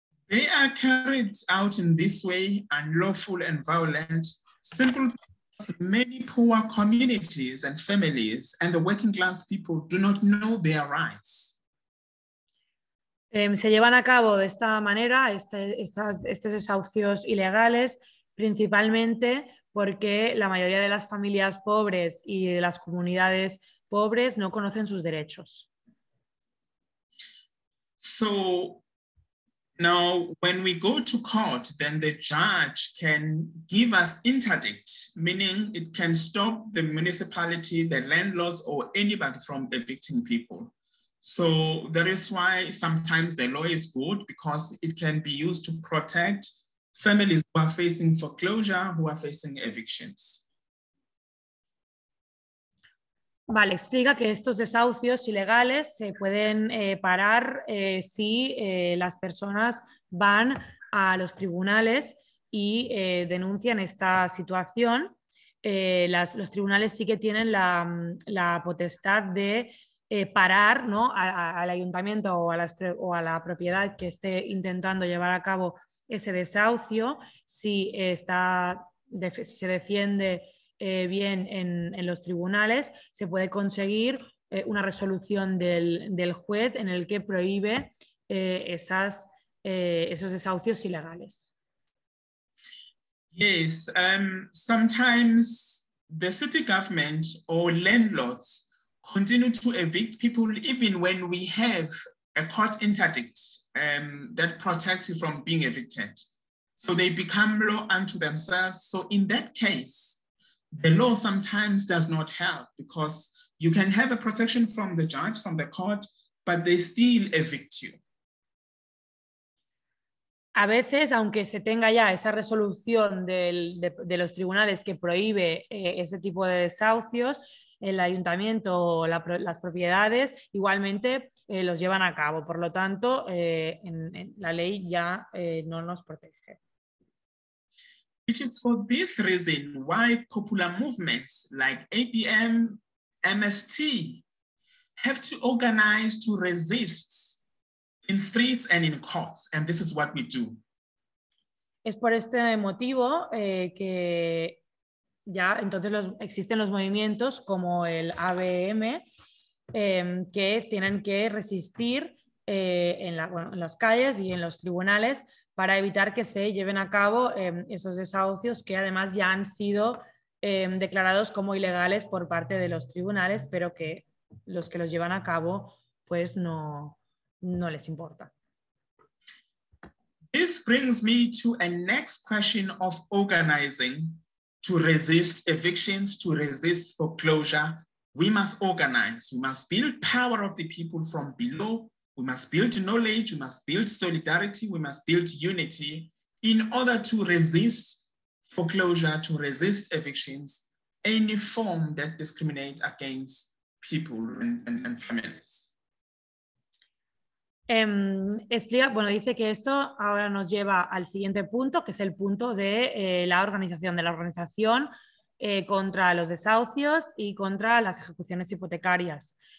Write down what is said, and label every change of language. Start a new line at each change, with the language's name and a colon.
English: They are carried out in this way, unlawful and violent, simply because many poor communities and families and the working class people do not know their rights.
Spanish: Se llevan a cabo de esta manera estos desahucios ilegales, principalmente porque la mayoría de las familias pobres y de las comunidades pobres no conocen sus derechos.
English: So, now, when we go to court, then the judge can give us interdict, meaning it can stop the municipality, the landlords, or anybody from evicting people. So that is why sometimes the law is good, because it can be used to protect families who are facing foreclosure, who are facing evictions.
Spanish: Vale, explica que estos desahucios ilegales se pueden parar si las personas van a los tribunales y denuncian esta situación. Los tribunales sí que tienen la potestad de parar, ¿no?, al ayuntamiento o a la propiedad que esté intentando llevar a cabo ese desahucio si se defiende. Bien, en los tribunales se puede conseguir una resolución del juez en el que prohíbe esos desahucios ilegales.
English: Yes, sometimes the city government or landlords continue to evict people even when we have a court interdict that protects you from being evicted. So they become law unto themselves. So in that case, the law sometimes does not help, because you can have a protection from the judge, from the court, but they still evict you.
Spanish: A veces, aunque se tenga ya esa resolución de los tribunales que prohíbe ese tipo de desahucios, el ayuntamiento o las propiedades igualmente los llevan a cabo. Por lo tanto, en la ley ya no nos protege.
English: It is for this reason why popular movements like ABM, MST have to organize to resist in streets and in courts, and this is what we do.
Spanish: Es por este motivo que ya entonces los, existen los movimientos como el ABM, que es, tienen que resistir en, la, bueno, en las calles y en los tribunales para evitar que se lleven a cabo esos desahucios que además ya han sido declarados como ilegales por parte de los tribunales, pero que los llevan a cabo pues no, no les importa.
English: This brings me to a next question of organizing to resist evictions, to resist foreclosure. We must organize. We must build power of the people from below. We must build knowledge. We must build solidarity. We must build unity in order to resist foreclosure, to resist evictions, any form that discriminate against people and families.
Spanish: Explica, bueno, dice que esto ahora nos lleva al siguiente punto, que es el punto de la organización contra los desahucios y contra las ejecuciones hipotecarias.